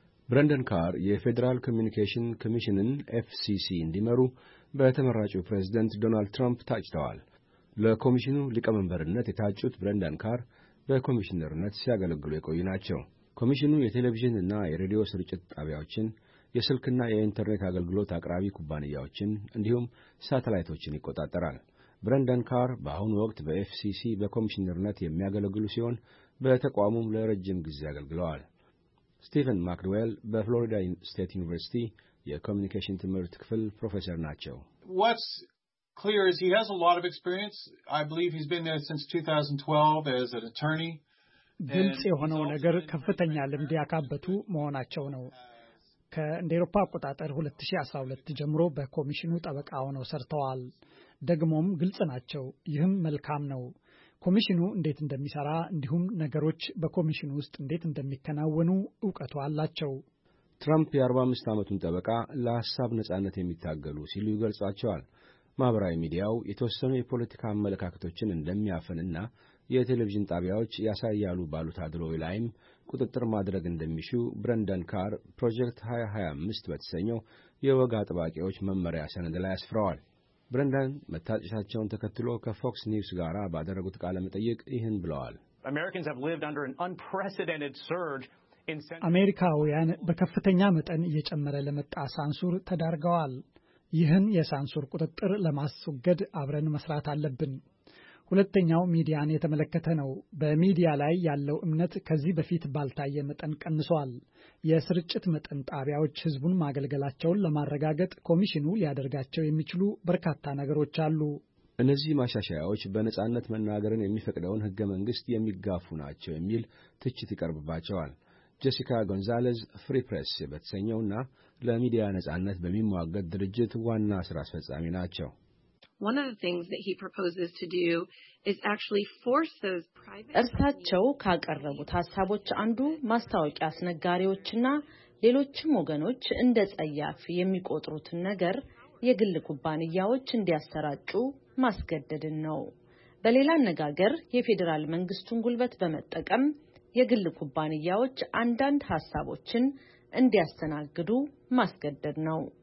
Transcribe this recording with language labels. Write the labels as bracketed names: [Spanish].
[Amharic] ብራንዳን ካር የፌደራል ኮሙኒኬሽን ኮሚሽንን ኤፍሲሲ እንዲመሩ በተመራጩ ፕሬዝዳንት ዶናልድ ትራምፕ ታጭተዋል። ለኮሚሽኑ ሊቀመንበርነት የታጩት ብራንዳን ካር በኮሚሽነርነት ሲያገለግሉ የቆዩ ናቸው። ኮሚሽኑ የቴሌቪዥንና የሬዲዮ ስርጭት ጣቢያዎችን፣ የስልክና የኢንተርኔት አገልግሎት አቅራቢ ኩባንያዎችን እንዲሁም ሳተላይቶችን ይቆጣጠራል። ብራንዳን ካር በአሁን ወቅት በኤፍሲሲ በኮሚሽነርነት የሚያገለግሉ ሲሆን በተቋሙም ለረጅም ጊዜ አገልግለዋል። ስቲቨን ማክድዌል በፍሎሪዳ ስቴት ዩኒቨርሲቲ የኮሙኒኬሽን ትምህርት ክፍል ፕሮፌሰር ናቸው። [English] What's clear is he has a lot of experience. I believe he's been there since 2012 as an attorney. [Amharic] ግልጽ የሆነው ነገር ከፍተኛ ልምድ ያካበቱ መሆናቸው ነው። ከእንደ አውሮፓ አቆጣጠር 2012 ጀምሮ በኮሚሽኑ ጠበቃ ሆነው ሰርተዋል። ደግሞም ግልጽ ናቸው። ይህም መልካም ነው። ኮሚሽኑ እንዴት እንደሚሰራ እንዲሁም ነገሮች በኮሚሽኑ ውስጥ እንዴት እንደሚከናወኑ እውቀቱ አላቸው። ትራምፕ የ45 ዓመቱን ጠበቃ ለሐሳብ ነጻነት የሚታገሉ ሲሉ ይገልጻቸዋል። ማህበራዊ ሚዲያው የተወሰኑ የፖለቲካ አመለካከቶችን እንደሚያፈንና የቴሌቪዥን ጣቢያዎች ያሳያሉ ባሉት አድሎይ ላይም ቁጥጥር ማድረግ እንደሚሹ ብራንዳን ካር ፕሮጀክት 2025 በተሰኘው የወግ አጥባቂዎች መመሪያ ሰነድ ላይ አስፍረዋል። ብራንዳን መታጨታቸውን ተከትሎ ከፎክስ ኒውስ ጋር ባደረጉት ቃለ መጠይቅ ይህን ብለዋል። [English] Americans have lived under an unprecedented surge [Amharic] አሜሪካውያን በከፍተኛ መጠን እየጨመረ ለመጣ ሳንሱር ተዳርገዋል። ይህን የሳንሱር ቁጥጥር ለማስወገድ አብረን መስራት አለብን። ሁለተኛው ሚዲያን የተመለከተ ነው። በሚዲያ ላይ ያለው እምነት ከዚህ በፊት ባልታየ መጠን ቀንሷል። የስርጭት መጠን ጣቢያዎች ህዝቡን ማገልገላቸውን ለማረጋገጥ ኮሚሽኑ ሊያደርጋቸው የሚችሉ በርካታ ነገሮች አሉ። እነዚህ ማሻሻያዎች በነጻነት መናገርን የሚፈቅደውን ህገ መንግስት የሚጋፉ ናቸው የሚል ትችት ይቀርብባቸዋል። ጀሲካ ጎንዛሌዝ ፍሪ ፕሬስ በተሰኘውና ለሚዲያ ነጻነት በሚሟገት ድርጅት ዋና ስራ አስፈጻሚ ናቸው። [English] One of the things that he proposes to do is actually force those private [Amharic] እርሳቸው ካቀረቡት ሐሳቦች አንዱ ማስታወቂያ አስነጋሪዎችና ሌሎችም ወገኖች እንደ ጸያፍ የሚቆጥሩት ነገር የግል ኩባንያዎች እንዲያሰራጩ ማስገደድን ነው። በሌላ አነጋገር የፌደራል መንግስቱን ጉልበት በመጠቀም የግል ኩባንያዎች አንዳንድ ሐሳቦችን እንዲያስተናግዱ ማስገደድ ነው።